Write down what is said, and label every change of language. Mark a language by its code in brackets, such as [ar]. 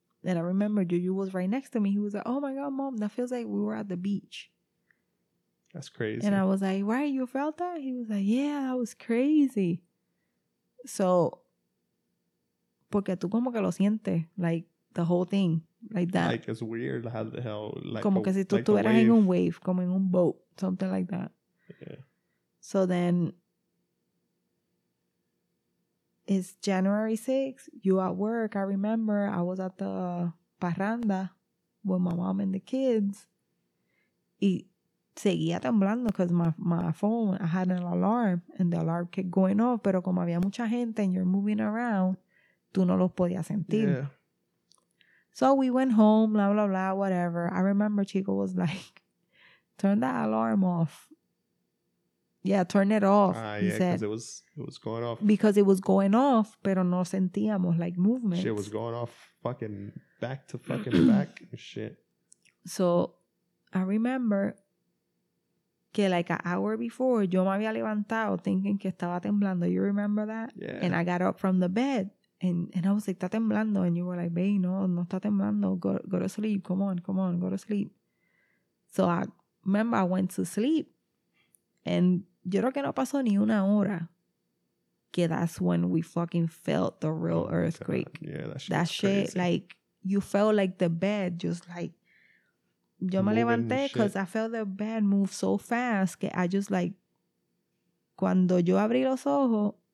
[en] And I remember Juju was right next to me. He was like, oh my God, mom, that feels like we were at the beach. That's crazy. And I was like, why, you felt that? He was like, yeah, that was crazy. So, [es] porque tú como que lo sientes, [en] like, the whole thing, like that. Like, it's weird how the hell, like, [es] como que si tú estuvieras en un wave, como en un boat, [en] something like that. Yeah. So then, it's January 6th, you at work, I remember, I was at the parranda with my mom and the kids, [es] y seguía temblando [en] because my phone, I had an alarm and the alarm kept going off, [es] pero como había mucha gente [en] and you're moving around, [es] tú no los podías sentir. [en] Yeah. So we went home, blah, blah, blah, whatever. I remember Chico was like, turn that alarm off. Yeah, turn it off. Because it was going off. Because it was going off, [es] pero no sentíamos [en] like movement. Shit was going off fucking back to fucking back and shit. So I remember... [es] Que [en] like an hour before, [es] yo me había levantado thinking que estaba temblando. [en] You remember that? Yeah. And I got up from the bed and I was like, [es] está temblando. [en] And you were like, babe, [es] no está temblando. [en] Go to sleep. Come on, go to sleep. So I remember I went to sleep. [es] And yo creo que no pasó ni una hora. [en] Que that's when we fucking felt the real earthquake. God. Yeah, that shit. That shit, like, you felt like the bed just like. [es] Yo me levanté [en] because I felt the bed move so fast que I just like, [es] cuando yo abrí los ojos,